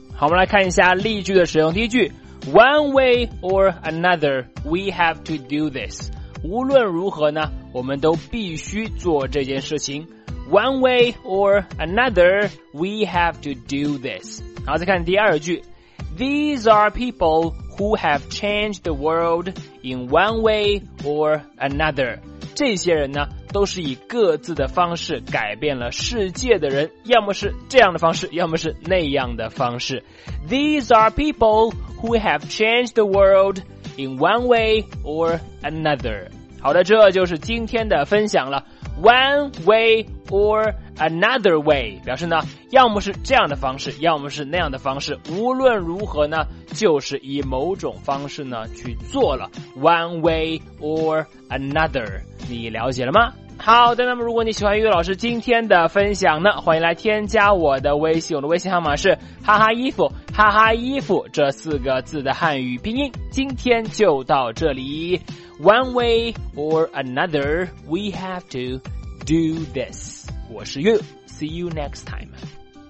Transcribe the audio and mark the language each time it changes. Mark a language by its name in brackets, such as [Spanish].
[Chinese] 好，我们来看一下例句的使用。第一句， [English] One way or another, we have to do this. [Chinese] 无论如何呢，我们都必须做这件事情。 [English] One way or another, we have to do this. [Chinese] 然后再看第二句。 [English] These are people who have changed the world in one way or another. [Chinese] 这些人呢，都是以各自的方式改变了世界的人，要么是这样的方式，要么是那样的方式。 [English] These are people who have changed the world in one way or another. [Chinese] 好的，这就是今天的分享了。 [English] One way or another way [Chinese] 表示呢，要么是这样的方式，要么是那样的方式，无论如何呢，就是以某种方式呢去做了。 [English] One way or another， [Chinese] 你了解了吗？好的，那么如果你喜欢于老师今天的分享呢，欢迎来添加我的微信，我的微信号码是哈哈衣服，哈哈衣服这四个字的汉语拼音。今天就到这里， [English] One way or another, we have to do this. [Chinese] 我是 [English] You, see you next time.